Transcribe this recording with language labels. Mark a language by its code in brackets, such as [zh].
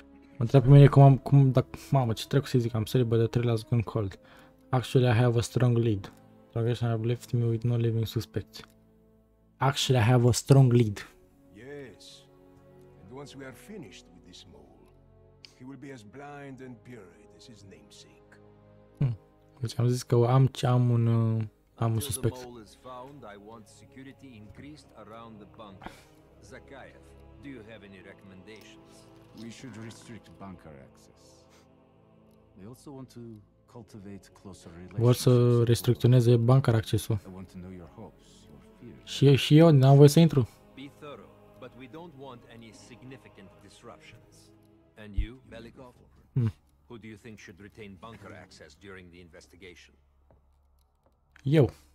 [ro] Mă întreabă pe mine cum dacă, mamă, ce trebuie să zic, [en] I'm sorry, but the trail has gone cold. Actually, I have a strong lead. Progression have left me with no living suspect. Actually, I have a strong lead. Once we are finished with this mole, he will be as blind and buried as his namesake. [ro] Deci am zis că am un Am un suspect. [en] Until the mole is found, I want security increased around the bunker. Zakayev, do you have any recommendations? We should restrict bunker access. We also want to cultivate closer relations. [ro] Vor să restricționeze bunker accesul. [en] I want to know your hopes, your fears. [ro] Și eu n-am voie să intru. [en] Be thorough, but we don't want any significant disruptions. And you, Belikov? Who do you think should retain bunker access during the investigation? Yo.